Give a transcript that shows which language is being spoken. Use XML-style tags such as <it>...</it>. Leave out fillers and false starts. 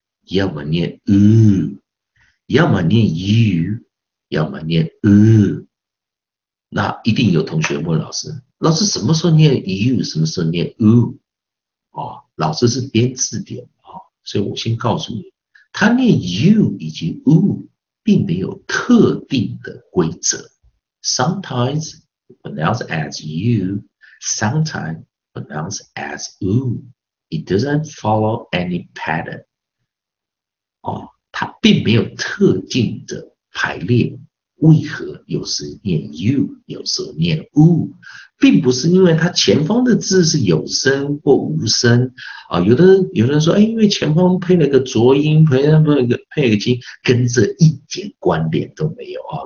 <zh>要么念要么念 you， 要么念那一定有同学问老师，老师什么时候念 you， 什么时候念 u？哦，老师是编字典啊，所以我先告诉你，他念 you 以及 u 并没有特定的规则。</zh> <en>Sometimes pronounced as you, sometimes pronounced as u. It doesn't follow any pattern.</en> <zh>哦，它并没有特定的排列。为何有时念 you， 有时念 u， 并不是因为它前方的字是有声或无声啊。有的人说，哎，因为前方配了个浊音，配了个金，跟这一点关联都没有啊。</zh>